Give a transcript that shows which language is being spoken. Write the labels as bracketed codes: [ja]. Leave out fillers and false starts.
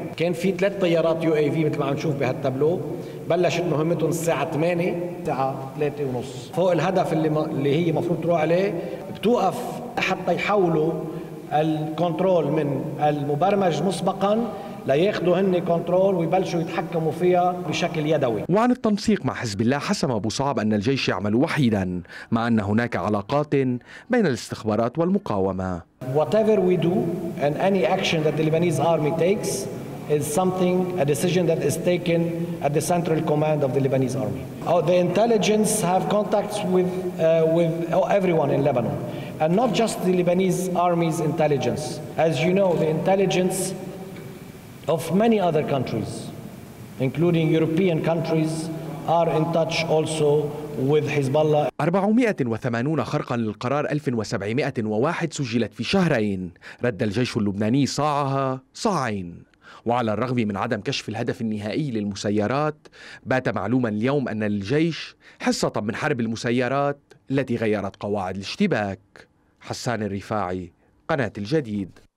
[ar] كان في 3 طيارات UAV مثل ما عم نشوف بهالتابلو، بلشت مهمتهم الساعة 8، الساعة 3:30 فوق الهدف اللي هي مفروض تروح عليه، بتوقف حتى يحولوا الكنترول من المبرمج مسبقا ليأخذوا هني كنترول ويبلشوا يتحكموا فيها بشكل يدوي. وعن التنسيق مع حزب الله حسم أبو صعب أن الجيش يعمل وحيدا، مع أن هناك علاقات بين الاستخبارات والمقاومة. [en] Whatever we do and any action that the Lebanese army takes is something, a decision that is taken at the central command of the Lebanese army. The intelligence have contacts with everyone in Lebanon, and not just the Lebanese army's intelligence. As you know, the intelligence of many other countries, including European countries, are in touch also with Hezbollah. [ar] 480 خرقا للقرار 1701 سجلت في شهرين، رد الجيش اللبناني صاعها صاعين. وعلى الرغم من عدم كشف الهدف النهائي للمسيرات، بات معلوما اليوم أن الجيش حصة من حرب المسيرات التي غيرت قواعد الاشتباك. حسان الرفاعي، قناة الجديد.